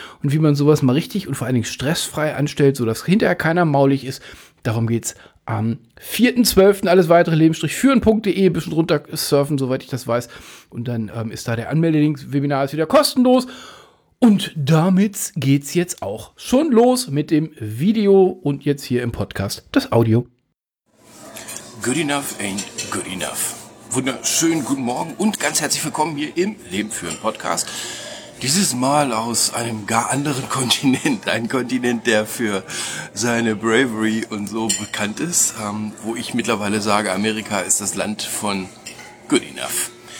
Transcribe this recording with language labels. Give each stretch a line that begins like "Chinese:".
German: Und wie man sowas mal richtig und vor allen Dingen stressfrei anstellt, sodass hinterher keiner maulig ist, darum geht es am 4.12. Alles weitere leben-führen.de, ein bisschen runter surfen, soweit ich das weiß. Und dann ist da der Anmelde-Link, Webinar ist wieder kostenlos. Und damit geht's jetzt auch schon los mit dem Video und jetzt hier im Podcast das Audio.
English: Good enough ain't good enough.
German: Wunderschönen guten Morgen und ganz herzlich willkommen hier im Leben führen Podcast. Dieses Mal aus einem gar anderen Kontinent. Ein Kontinent, der für seine Bravery und so bekannt ist. Wo ich mittlerweile sage, Amerika ist das Land von
English: good enough.